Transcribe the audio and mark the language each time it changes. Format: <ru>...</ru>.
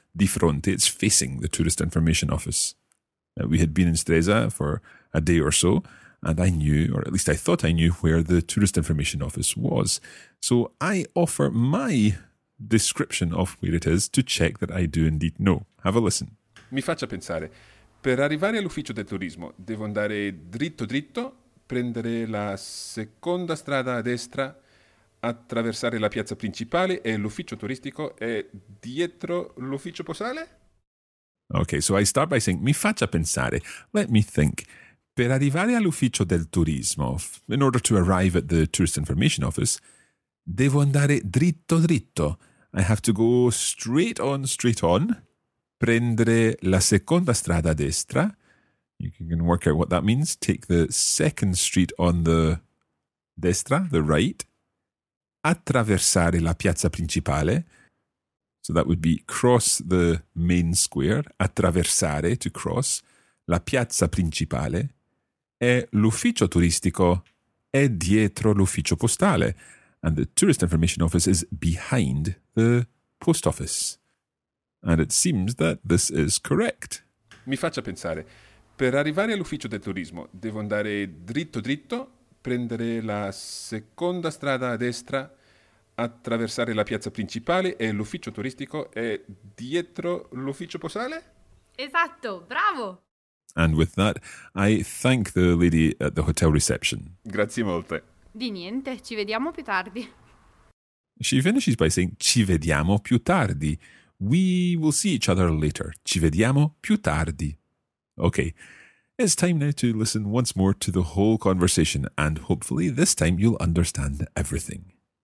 <it>Di fronte,</it> <en>it's facing the tourist information office. We had been in Stresa for a day or so, and I knew, or at least I thought I knew, where the tourist information office was. So I offer my description of where it is to check that I do indeed know. Have a listen.</en> <it>Mi faccia pensare. Per arrivare all'ufficio del turismo, devo andare dritto dritto, prendere la seconda strada a destra, attraversare la piazza principale e l'ufficio turistico è dietro l'ufficio postale?</it> <en>Okay, so I start by saying,</en> <it>mi faccia pensare,</it> <en>let me think.</en> <it>Per arrivare all'ufficio del turismo,</it> <en>in order to arrive at the tourist information office,</en> <it>devo andare dritto dritto.</it> <en>I have to go straight on, straight on.</en> <it>Prendere la seconda strada a destra.</it> <en>You can work out what that means. Take the second street on the destra, the right.</en> <it>Attraversare la piazza principale.</it> <en>So that would be cross the main square.</en> <it>Attraversare,</it> <en>to cross,</en> <it>la piazza principale. E l'ufficio turistico è dietro l'ufficio postale.</it> <en>And the tourist information office is behind the post office. And it seems that this is correct.</en> <it>Mi faccia pensare. Per arrivare all'ufficio del turismo, devo andare dritto dritto, prendere la seconda strada a destra, attraversare la piazza principale e l'ufficio turistico è dietro l'ufficio postale? Esatto, bravo!</it> <en>And with that, I thank the lady at the hotel reception.</en> <it>Grazie molte. Di niente, ci vediamo più tardi.</it> <en>She finishes by saying,</en> <it>ci vediamo più tardi.</it> <en>We will see each other later.</en> <it>Ci vediamo più tardi.</it> <en>Okay, it's time now to listen once more to the whole conversation and hopefully this time you'll understand everything.</en>